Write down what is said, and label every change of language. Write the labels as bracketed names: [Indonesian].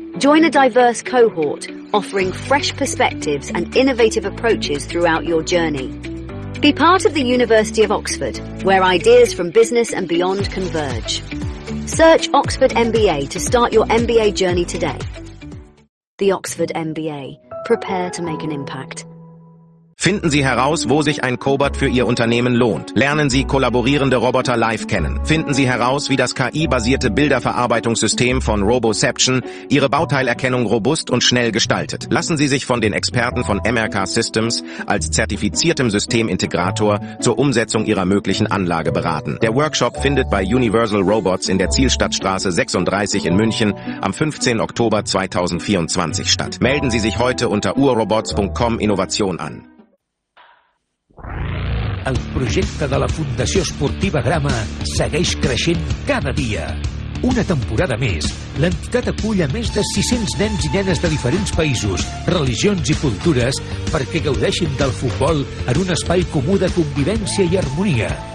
[English] Join a diverse cohort offering fresh perspectives and innovative approaches throughout your journey. Be part of the University of Oxford, where ideas from business and beyond converge. Search Oxford MBA to start your MBA journey today. The Oxford MBA. Prepare to make an impact. [German] Finden Sie heraus, wo sich ein Cobot für Ihr Unternehmen lohnt. Lernen Sie kollaborierende Roboter live kennen. Finden Sie heraus, wie das KI-basierte Bilderverarbeitungssystem von Roboception Ihre Bauteilerkennung robust und schnell gestaltet. Lassen Sie sich von den Experten von MRK Systems als zertifiziertem Systemintegrator zur Umsetzung Ihrer möglichen Anlage beraten. Der Workshop findet bei Universal Robots in der Zielstadtstraße 36 in München am 15. Oktober 2024 statt. Melden Sie sich heute unter urrobots.com Innovation an. [Catalan] El projecte de la Fundació Esportiva Grama segueix creixent cada dia. Una temporada més, l'entitat acull a més de 600 nens i nenes de diferents països, religions i cultures perquè gaudeixin del futbol en un espai comú de convivència i harmonia.